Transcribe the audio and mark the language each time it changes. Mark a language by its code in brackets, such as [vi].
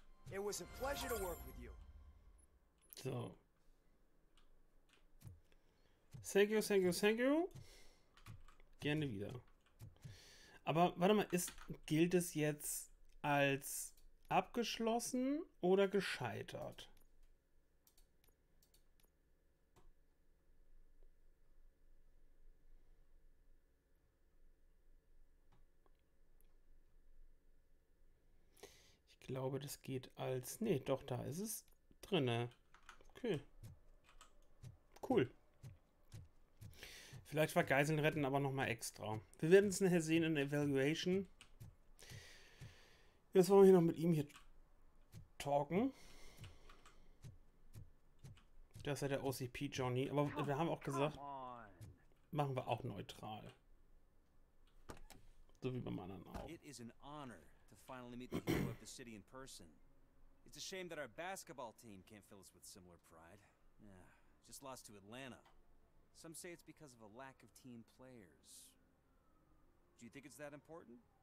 [en] It was a pleasure to work with you. So. Thank you, thank you, thank you. [de] Gerne wieder. Aber warte mal, gilt es jetzt als abgeschlossen oder gescheitert? Ich glaube, das geht als... Nee, doch, da ist es drinne. Okay. Cool. Vielleicht war Geiseln retten aber nochmal extra. Wir werden es nachher sehen in der Evaluation. Jetzt wollen wir hier noch mit ihm hier talken. Das ist ja der OCP-Johnny. Aber wir haben auch gesagt, machen wir auch neutral. So wie beim anderen auch. [en] It is an honor to finally meet the hero of the city in person. It's a shame that our basketball team can't fill us with similar pride. Yeah, just lost to Atlanta. Some say it's because of a lack of team players. Do you think it's that important?